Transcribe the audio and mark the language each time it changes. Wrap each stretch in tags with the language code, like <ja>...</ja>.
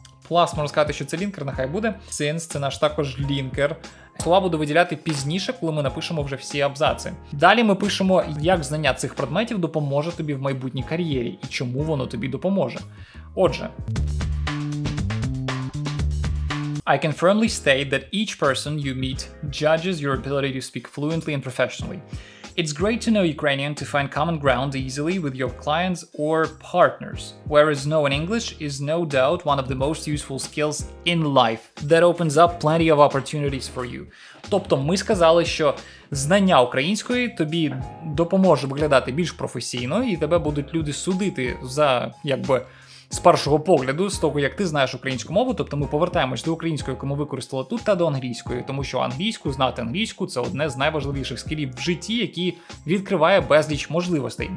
<uk>Plus, можна сказати, що це linker, нехай буде. Since, це наш також linker. Слова буду виділяти пізніше, коли ми напишемо вже всі абзаци. Далі ми пишемо, як знання цих предметів допоможе тобі в майбутній кар'єрі і чому воно тобі допоможе. Отже.</uk> <en>I can firmly state that each person you meet judges your ability to speak fluently and professionally. It's great to know Ukrainian to find common ground easily with your clients or partners. Whereas knowing English is no doubt one of the most useful skills in life that opens up plenty of opportunities for you.</en> <uk>Тобто ми сказали, що знання української тобі допоможе виглядати більш професійно і тебе будуть люди судити за, якби, з першого погляду, з того, як ти знаєш українську мову, тобто ми повертаємось до української, яку ми використали тут, та до англійської, тому що англійську, знати англійську – це одне з найважливіших скілів в житті, які відкриває безліч можливостей.</uk>